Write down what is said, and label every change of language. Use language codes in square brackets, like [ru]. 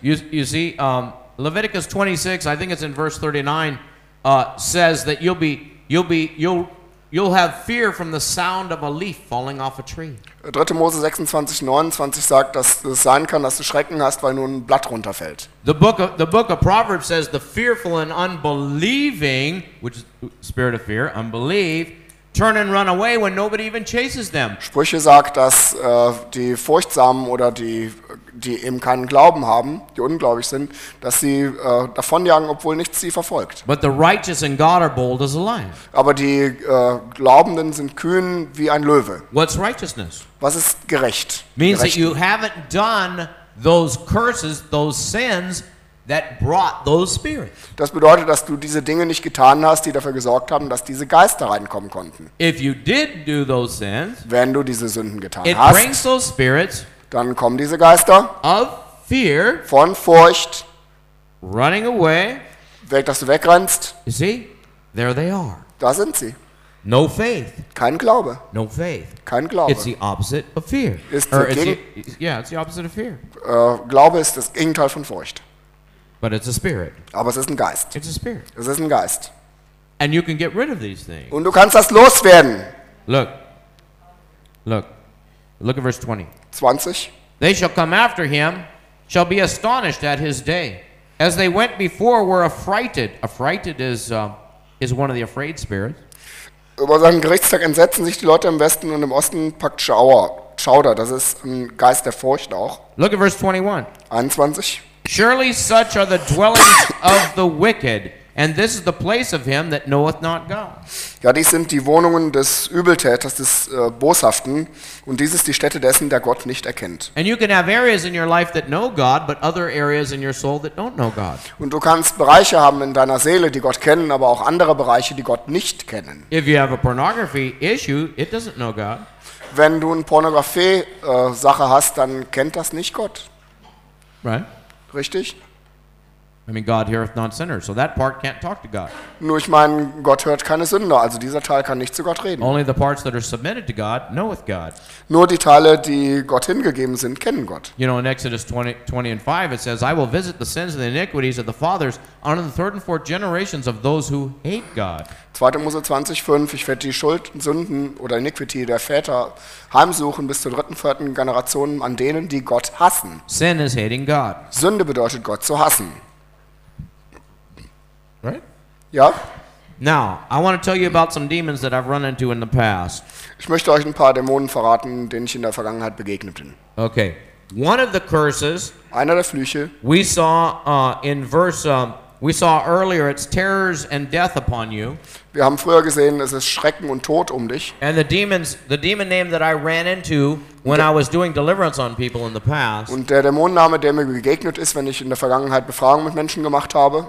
[en] You see, Leviticus 26, I think it's in verse 39, says that you'll You'll have fear from the sound of a leaf falling off a tree. [de] 3. Mose 26, 29 sagt, dass es sein kann, dass du Schrecken hast, weil nur ein Blatt runterfällt. [en] The book of Proverbs says the fearful and unbelieving, which is spirit of fear, unbelief, turn and run away when nobody even chases them. [de] Sprüche sagt, dass die Furchtsamen oder die eben keinen Glauben haben, die ungläubig sind, dass sie davonjagen, obwohl nichts sie verfolgt. [en] But the righteous and God are bold as a lion. [de] Aber die Glaubenden sind kühn wie ein Löwe. [en] What's righteousness? [de] Was ist gerecht? [en] Means that you haven't done those curses, those sins that brought those spirits. [de] Das bedeutet, dass du diese Dinge nicht getan hast, die dafür gesorgt haben, dass diese Geister reinkommen konnten. [en] If you did do those sins, [de] wenn du diese Sünden getan [en] it [de] hast, [en] brings those spirits, [de] dann kommen diese Geister [en] of fear, [de] von Furcht, [en] running away, [de] weg, dass du wegrennst. [en] You see, there they are. [de] Da sind sie. [en] No faith. [de] Kein Glaube. [en] No faith. [de] Kein Glaube. [en] It's the opposite of fear. It's the opposite of fear. [de] Glaube ist das Gegenteil von Furcht. [en] But it's a spirit. [de] Aber es ist ein Geist. [en] It's a spirit. [de] Es ist ein Geist. [en] And you can get rid of these things. [de] Und du kannst das loswerden. [en] Look at verse 20. They shall come after him, shall be astonished at his day. As they went before, were affrighted. Affrighted is one of the afraid spirits. [de] Über seinen Gerichtstag entsetzen sich die Leute im Westen und im Osten packt Schauder. Das ist ein Geist der Furcht auch. [en] Look at verse 21. [de] 21. [en] Surely such are the dwellings of the wicked, and this is the place of him that knoweth not God. [de] Ja, dies sind die Wohnungen des Übeltäters, des Boshaften, und dies ist die Stätte dessen, der Gott nicht erkennt. [en] And you can have areas in your life that know God, but other areas in your soul that don't know God. [de] Und du kannst Bereiche haben in deiner Seele, die Gott kennen, aber auch andere Bereiche, die Gott nicht kennen. [en] If you have a pornography issue, it doesn't know God. [de] Wenn du eine Pornografie-Sache hast, dann kennt das nicht Gott. [en] Right. [de] Richtig? [en] I mean, God heareth not sinners, so that part can't talk to God. [de] Nur ich meine, Gott hört keine Sünder, also dieser Teil kann nicht zu Gott reden. [en] Only the parts that are submitted to God knoweth God. [de] Nur die Teile, die Gott hingegeben sind, kennen Gott. [en] You know, in Exodus 20:5, it says, I will visit the sins and the iniquities of the fathers on the third and fourth generations of those who hate God. [de] 2. Mose 20:5, ich werde die Schuld, Sünden oder Iniquity der Väter heimsuchen bis zur dritten, vierten Generation an denen, die Gott hassen. [en] Sin is hating God. [de] Sünde bedeutet, Gott zu hassen. [en] Right? [de] Ja. [en] Now, I want to tell you about some demons that I've run into in the past. [de] Ich möchte euch ein paar Dämonen verraten, denen ich in der Vergangenheit begegnet bin. [en] Okay. One of the curses. [de] Einer der Flüche. [en] We saw in verse we saw earlier it's terrors and death upon you. [de] Wir haben früher gesehen, es ist Schrecken und Tod um dich. [en] And the demon name that I ran into when I was doing deliverance on people in the past. [de] Und der Dämonenname, der mir begegnet ist, wenn ich in der Vergangenheit Befragung mit Menschen gemacht habe.